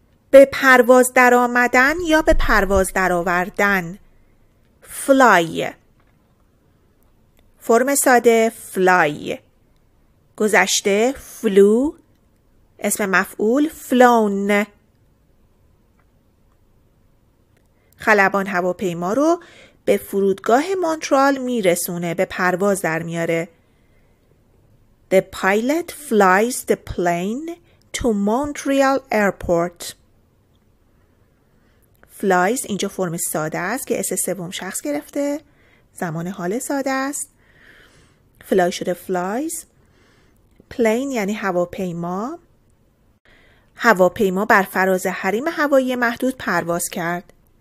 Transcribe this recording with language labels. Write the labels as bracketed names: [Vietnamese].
[Persian] به پرواز در آمدن یا به پرواز در آوردن، fly فرم ساده fly، گذشته flew، اسم مفعول flown. خلبان هواپیما رو به فرودگاه مونترال میرسونه، به پرواز در میاره. [English] The pilot flies the plane to Montreal Airport. [Persian] Flies اینجا فرم ساده است که اس سوم شخص گرفته، زمان حال ساده است. Fly شده flies. Plane یعنی هواپیما. هواپیما بر فراز حریم هوایی محدود پرواز کرد.